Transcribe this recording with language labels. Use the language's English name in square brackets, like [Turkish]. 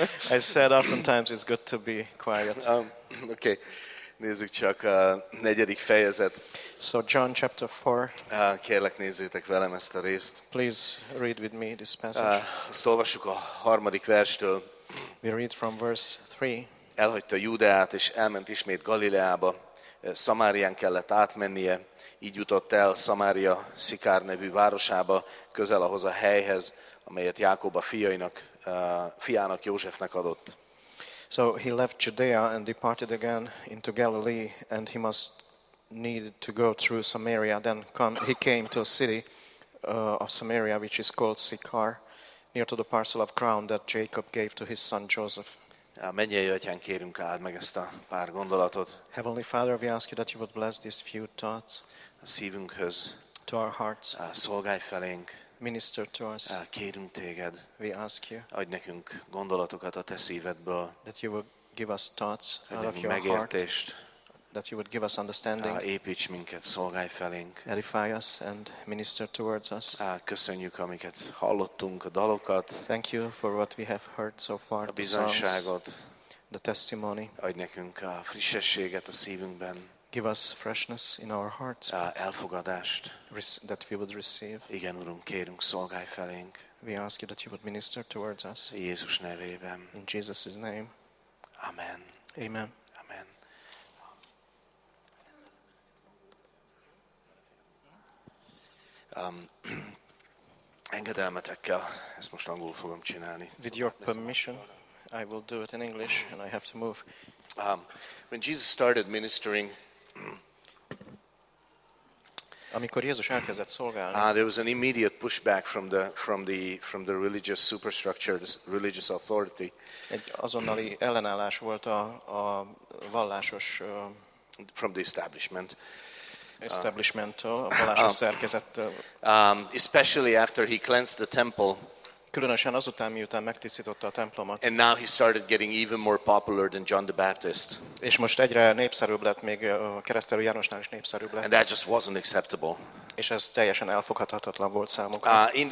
[English] I said, oftentimes it's good to be quiet. [Hungarian] Oké, nézzük csak a negyedik fejezet. [English] So John chapter 4. [Hungarian] Kérlek, nézzétek velem ezt a részt. [English] Please read with me this passage. [Hungarian] Azt olvassuk a harmadik verstől. [English] We read from verse 3. [Hungarian] Elhagyta Júdeát és elment ismét Galileába. Szamárián kellett átmennie, így jutott el Szamária Szikár nevű városába, közel ahhoz a helyhez, amelyet Jákob a fiának Józsefnek adott. [English] So he left Judea and departed again into Galilee, and he must need to go through Samaria. Then he came to a city of Samaria, which is called Sychar, near to the parcel of ground that Jacob gave to his son Joseph. [Hungarian] Mennyei Atyán, kérünk, áld meg ezt a pár gondolatot. [English] Heavenly Father, we ask you that you would bless these few thoughts. [Hungarian] A szívünkhöz. [English] To our hearts. [Hungarian] Szolgálj felénk. [English] Minister to us. [Hungarian] Kérünk téged. [English] We ask you. [Hungarian] Adj nekünk gondolatokat a te szívedből. [English] That you would give us thoughts out of your [Hungarian] megértést. [English] Heart. That you would give us understanding. [Hungarian] Építs minket, szolgálj felénk. [English] Edify us and minister towards us. [Hungarian] Köszönjük, amiket hallottunk, a dalokat. [English] Thank you for what we have heard so far. [Hungarian] A bizonyságot. [English] The testimony. [Hungarian] Adj nekünk a frissességet a szívünkben. [English] Give us freshness in our hearts. [Hungarian] Elfogadást. [English] That we would receive. [Hungarian] Igen, Urunk, kérünk, szolgálj felénk. [English] We ask you that you would minister towards us. [Hungarian] Jézus nevében. [English] In Jesus' name. Amen. Amen. Amen. [Hungarian] Engedelmetekkel, ezt most angolul fogom csinálni. [English] With your permission, I will do it in English and I have to move. When Jesus started ministering, [Hungarian] amikor Jézus elkezdett szolgálni, [English] there was an immediate pushback from the religious superstructure, the religious authority. [Hungarian] Egy azonnali ellenállás volt a vallásos [English] from the establishment. [Hungarian] Establishmenttől, a vallásos szerkezettől. [English] Especially after he cleansed the temple. [Hungarian] Különösen azután, miután megtisztította a templomot. [English] And now he started getting even more popular than John the Baptist. [Hungarian] És most egyre népszerűbb lett, még a keresztelő Jánosnál is népszerűbb lett. [English] And that just wasn't acceptable. [Hungarian] És ez teljesen elfogadhatatlan volt számukra.